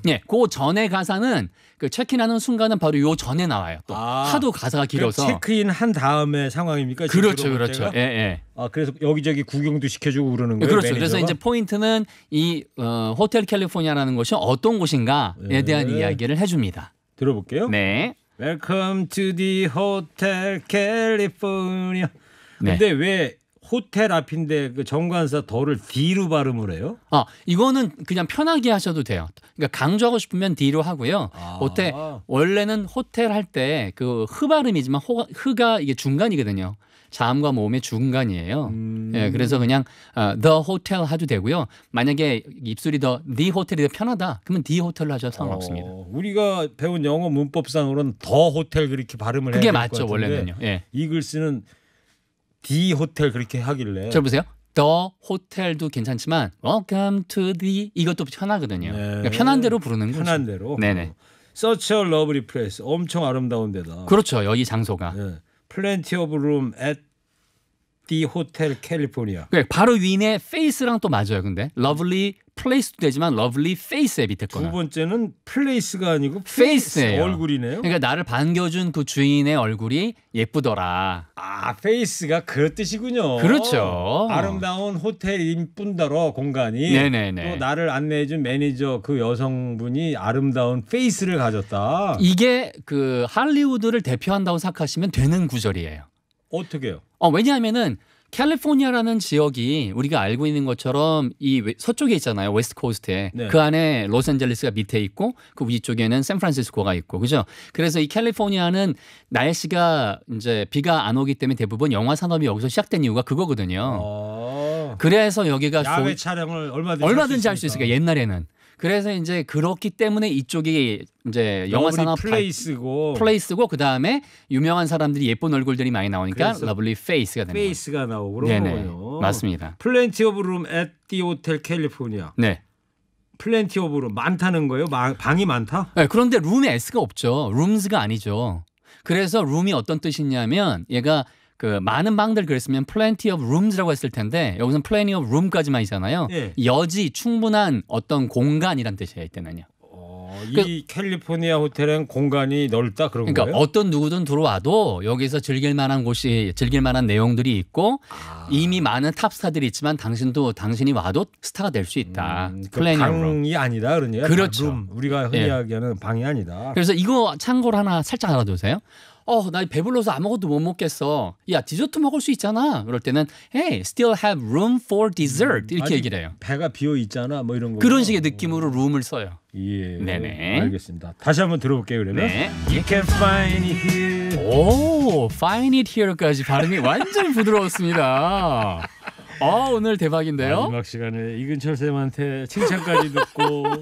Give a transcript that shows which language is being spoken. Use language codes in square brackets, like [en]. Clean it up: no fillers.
[ko] 네, 그 전에 가사는 그 체크인하는 순간은 바로 요 전에 나와요. 또 하도 가사가 길어서 체크인 한 다음에 상황입니까? 그렇죠, 그렇죠. 예, 예. 아, 그래서 여기저기 구경도 시켜주고 그러는 거예요. 그렇죠. 매니저가? 그래서 이제 포인트는 이 호텔 캘리포니아라는 곳이 어떤 곳인가에 예. 대한 이야기를 해줍니다. 들어볼게요. 네. [en] Welcome to the Hotel California. [ko] 네. 근데 왜 호텔 앞인데 그 정관사 더를 D로 발음을 해요? 아, 이거는 그냥 편하게 하셔도 돼요. 그러니까 강조하고 싶으면 D로 하고요. 아. 호텔 원래는 호텔 할 때 그 흐 발음이지만 흐가 이게 중간이거든요. 자음과 모음의 중간이에요. 예, 그래서 그냥 the hotel 하도 되고요. 만약에 입술이 더 the hotel이 더 편하다, 그러면 the hotel 하셔도 상관없습니다. 우리가 배운 영어 문법상으로는 the hotel 그렇게 발음을 그게 해야 맞죠 것 원래는요. 예. 이 글씨는 디 호텔 그렇게 하길래 저 보세요. 더 호텔도 괜찮지만 [en] welcome to the [ko] 이것도 편하거든요. 네. 그러니까 편한 대로 부르는 거죠. 편한 대로. 네네. [en] Such a lovely place. [ko] 엄청 아름다운 데다. 그렇죠. 여기 장소가. 네. [en] Plenty of room at the hotel California. [ko] 네. 바로 위에 face랑 또 맞아요. 근데 lovely place도 되지만 lovely face에 밑에 거나. 두 번째는 place가 아니고 face예요. 얼굴이네요. 그러니까 나를 반겨준 그 주인의 얼굴이 예쁘더라. 아, face가 그런 뜻이군요. 그렇죠. 아름다운 호텔인 뿐더러 공간이. 네네네. 또 나를 안내해준 매니저 그 여성분이 아름다운 face를 가졌다. 이게 그 할리우드를 대표한다고 생각하시면 되는 구절이에요. 어떻게요? 왜냐하면은 캘리포니아라는 지역이 우리가 알고 있는 것처럼 이 서쪽에 있잖아요. 웨스트 코스트에. 네. 그 안에 로스앤젤레스가 밑에 있고 그 위쪽에는 샌프란시스코가 있고. 그죠? 그래서 이 캘리포니아는 날씨가 이제 비가 안 오기 때문에 대부분 영화 산업이 여기서 시작된 이유가 그거거든요. 그래서 여기가 야외 촬영을 얼마든지, 얼마든지 할 수 있으니까 옛날에는. 그래서 이제 그렇기 때문에 이쪽이 이제 영화 산업 플레이스고 플레이스고 그다음에 유명한 사람들이 예쁜 얼굴들이 많이 나오니까 러블리 페이스가 되는 거예요. 페이스가 나오고 그런 네네. 거예요. 맞습니다. [en] Plenty of room at the hotel California. [ko] 네. [en] Plenty of room [ko] 많다는 거예요. 방이 많다? 네, 그런데 룸에 s가 없죠. rooms가 아니죠. 그래서 룸이 어떤 뜻이냐면 얘가 그 많은 방들 그랬으면 plenty of rooms라고 했을 텐데 여기서 plenty of room까지만 있잖아요. 예. 여지 충분한 어떤 공간이란 뜻이에요. 이때는요. 그러니까 캘리포니아 호텔은 공간이 넓다 그런 그러니까 거예요? 어떤 누구든 들어와도 여기서 즐길 만한 곳이 즐길 만한 내용들이 있고 이미 많은 탑스타들이 있지만 당신도 당신이 와도 스타가 될 수 있다. 그러니까 방이 room. 아니다 그런 얘기야. 그렇죠. 룸. 우리가 흔히 이야기하는 예. 방이 아니다. 그래서 이거 참고로 하나 살짝 알아두세요. 나 배불러서 아무것도 못 먹겠어. 야, 디저트 먹을 수 있잖아. 그럴 때는 [en] hey, still have room for dessert. [ko] 이렇게 얘기를 해요. 배가 비어 있잖아. 뭐 이런 거. 그런 식의 느낌으로 room을 써요. 예. 네네. 알겠습니다. 다시 한번 들어볼게요, 그러면. 네. [en] You can find it here. [ko] 오, find it here까지 발음이 완전 부드러웠습니다. 오늘 대박인데요. 마지막 시간에 이근철 쌤한테 칭찬까지 듣고.